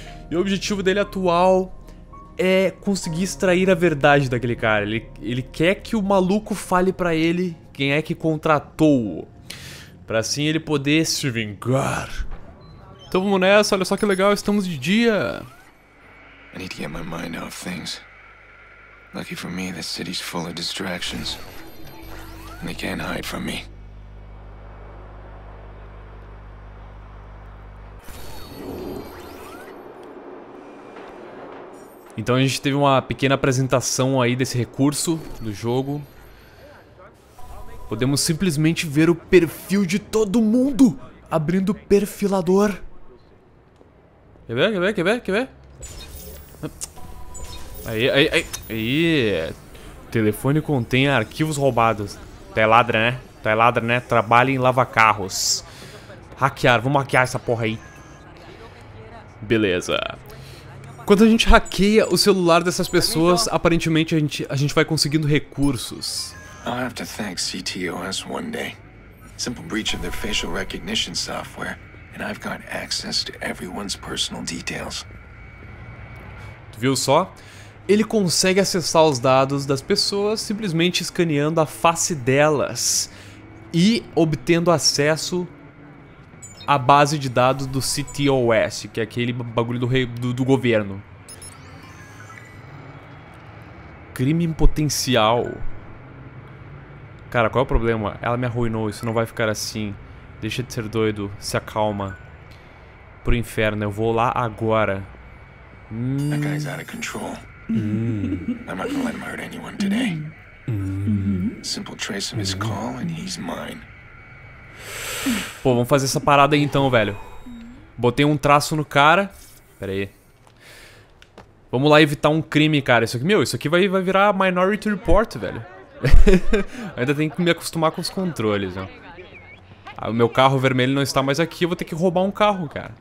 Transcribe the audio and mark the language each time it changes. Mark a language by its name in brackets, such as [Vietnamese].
[Portuguese] E o objetivo dele atual é conseguir extrair a verdade daquele cara. Ele quer que o maluco fale pra ele quem é que contratou-o. Pra assim ele poder se vingar. Então vamos nessa, olha só que legal, estamos de dia. [English] I need to get my mind off things. Lucky for me, the city's full of distractions. And they can't hide from me. [Portuguese] Então a gente teve uma pequena apresentação aí desse recurso do jogo. Podemos simplesmente ver o perfil de todo mundo abrindo o perfilador. Quer ver? Aí, telefone contém arquivos roubados. Tá é ladra, né? Trabalha em lava carros. Hackear, vamos hackear essa porra aí. Beleza. Quando a gente hackeia o celular dessas pessoas, aparentemente a gente vai conseguindo recursos. [English] I'll have to thank CTOS one day. Simple breach of their facial recognition software, and I've got access to everyone's personal details. [Portuguese] Viu só? Ele consegue acessar os dados das pessoas simplesmente escaneando a face delas e obtendo acesso à base de dados do CTOS, que é aquele bagulho do governo. Crime em potencial. Cara, qual é o problema? Ela me arruinou, isso não vai ficar assim. Deixa de ser doido, se acalma. Pro inferno, eu vou lá agora. [English] That guy's out of control. I'm not gonna let him hurt anyone today. Simple trace of his call and he's mine. [Portuguese] Pô, vamos fazer essa parada aí então, velho. Botei um traço no cara. Pera aí. Vamos lá evitar um crime, cara. Isso aqui, meu, isso aqui vai virar Minority Report, velho. Ainda tenho que me acostumar com os controles, ó. Ah, o meu carro vermelho não está mais aqui, eu vou ter que roubar um carro, cara.